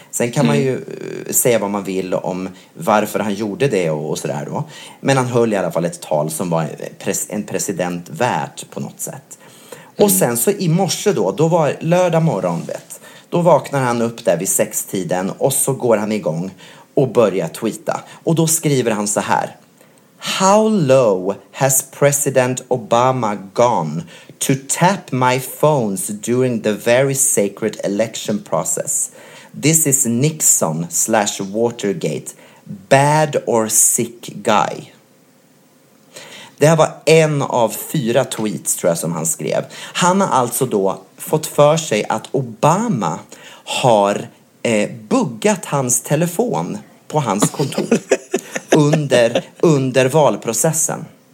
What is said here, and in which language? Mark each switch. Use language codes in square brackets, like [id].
[sv] Sen kan man ju säga vad man vill om varför han gjorde det och sådär då. Men han höll i alla fall ett tal som var en president värt på något sätt. Och sen så i morse då var lördag morgon, vet. Då vaknar han upp där vid 6-tiden och så går han igång och börjar tweeta. Och då skriver han så här: [en] "How low has President Obama gone to tap my phones during the very sacred election process? This is Nixon/Watergate, bad or sick guy." [sv] Det här var en av fyra tweets, tror jag, som han skrev. Han har alltså då fått för sig att Obama har buggat hans telefon på hans kontor under valprocessen.